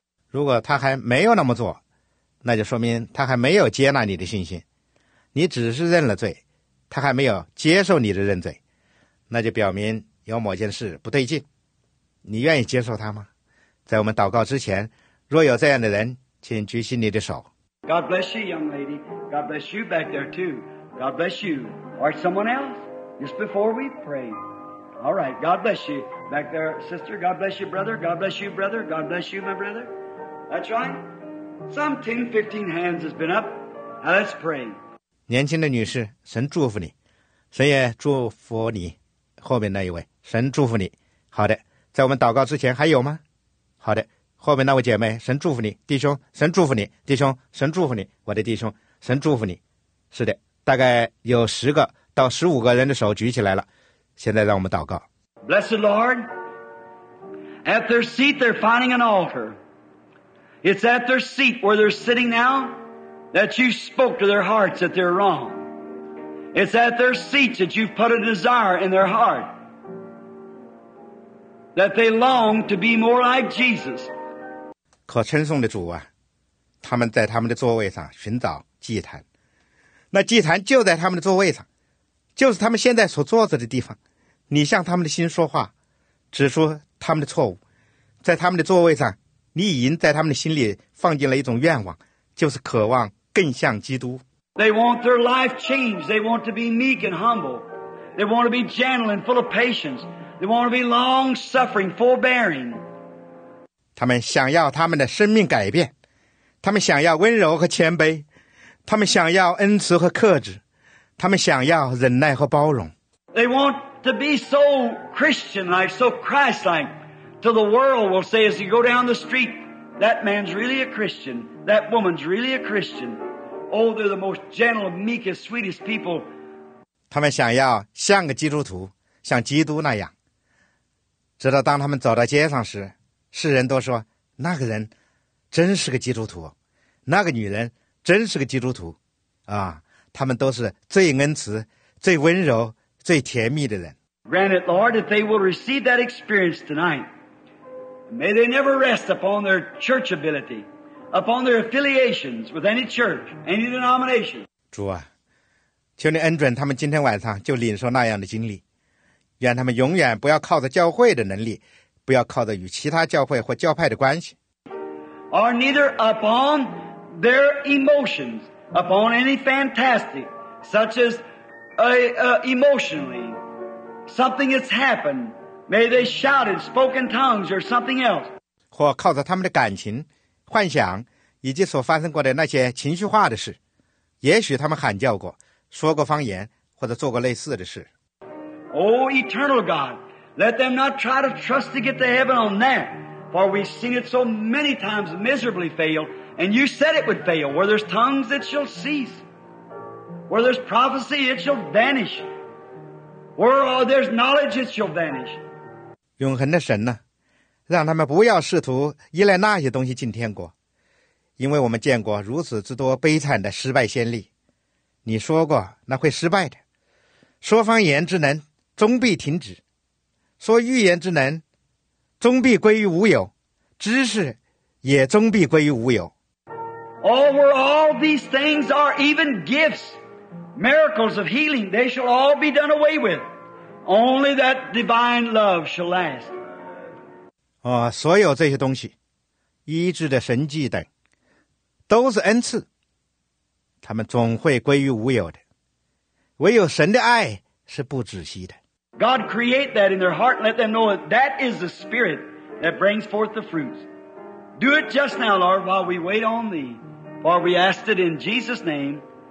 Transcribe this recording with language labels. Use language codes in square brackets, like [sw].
[zh] 如果他还没有那么做，那就说明他还没有接纳你的信心。你只是认了罪，他还没有接受你的认罪，那就表明有某件事不对劲。你愿意接受他吗？在我们祷告之前，若有这样的人，请举起你的手。 [en] God bless you, young lady. God bless you back there too. God bless you. Or someone else? Just before we pray. All right. God bless you. Back there, sister. God bless you, brother. God bless you, brother. God bless you, my brother. That's right. Some 10-15 hands has been up. Now let's pray. [zh] 年轻的女士，神祝福你。神也祝福你。后面那一位，神祝福你。好的，在我们祷告之前还有吗？好的，后面那位姐妹，神祝福你。弟兄，神祝福你。弟兄，神祝福你。我的弟兄，神祝福你。是的。大概有10-15人的手举起来了，现在让我们祷告。 [en] Blessed Lord, at their seat they're finding an altar. It's at their seat where they're sitting now that you spoke to their hearts that they're wrong. It's at their seats that you've put a desire in their heart that they long to be more like Jesus. [zh] 可称颂的主啊，他们在他们的座位上寻找祭坛。那祭坛就在他们的座位上，就是他们现在所坐着的地方。你向他们的心说话，指出他们的错误。在他们的座位上，你已经在他们的心里放进了一种愿望，就是渴望更像基督。 [en] They want their life changed. They want to be meek and humble. They want to be gentle and full of patience. They want to be long-suffering, forbearing. [zh] 他们想要他们的生命改变，他们想要温柔和谦卑。他们想要恩慈和克制，他们想要忍耐和包容。 [en] They want to be so Christian-like, so Christ-like, till the world will say as you go down the street, that man's really a Christian, that woman's really a Christian. Oh, they're the most gentle, meekest, sweetest people. [zh] 他们想要像个基督徒，像基督那样。直到当他们走到街上时，世人都说，那个人真是个基督徒，那个女人真是个基督徒啊，他们都是最恩慈、最温柔、最甜蜜的人。 [en] Grant it, Lord, that they will receive that experience tonight. May they never rest upon their church ability, upon their affiliations with any church, any denomination. [zh] 主啊，求你恩准他们今天晚上就领受那样的经历，愿他们永远不要靠着教会的能力，不要靠着与其他教会或教派的关系。 [en] Or neither upon... their emotions upon any fantastic such as emotionally something has happened may they shout in spoken tongues or something else [zh] 或靠着他们的感情幻想以及所发生过的那些情绪化的事也许他们喊叫过说过方言或者做过类似的事 [en] Oh eternal God let them not try to trust to get to heaven on that for we've seen it so many times miserably failAnd you said it would fail. Where there's tongues, it shall cease. Where there's prophecy, it shall vanish. Where there's knowledge, it shall vanish. [zh] 永恒的神呢、啊、让他们不要试图依赖那些东西进天国，因为我们见过如此之多悲惨的失败先例。你说过那会失败的，说方言之能终必停止，说预言之能终必归于无有，知识也终必归于无有。 [en] Over all these things are even gifts, miracles of healing, they shall all be done away with. Only that divine love shall last.、 [zh] 哦、所有这些东西，医治的神迹等，都是恩赐，他们总会归于无有的，唯有神的爱是不止息的。 [en] God create that in their heart and let them know that that is the spirit that brings forth the fruits. Do it just now, Lord, while we wait on thee, for we ask it in Jesus' name.